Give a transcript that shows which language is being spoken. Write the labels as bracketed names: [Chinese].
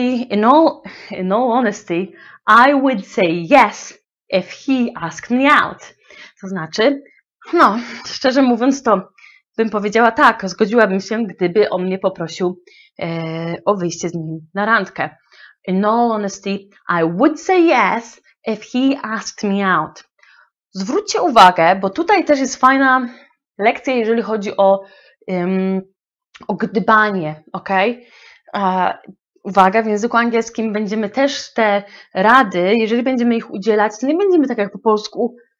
[English] In all honesty, I would say yes if he asked me out. [Polish] To znaczy, no szczerze mówiąc to bym powiedziała tak, zgodziłabym się, gdyby on mnie poprosił o wyjście z nim na randkę. [English] In all honesty, I would say yes if he asked me out. [Polish] Zwróćcie uwagę, bo tutaj też jest fajna lekcja, jeżeli chodzi o gdybanie, ok? Uwaga, w języku angielskim będziemy też te rady, jeżeli będziemy ich udzielać, to nie będziemy tak jak po polsku.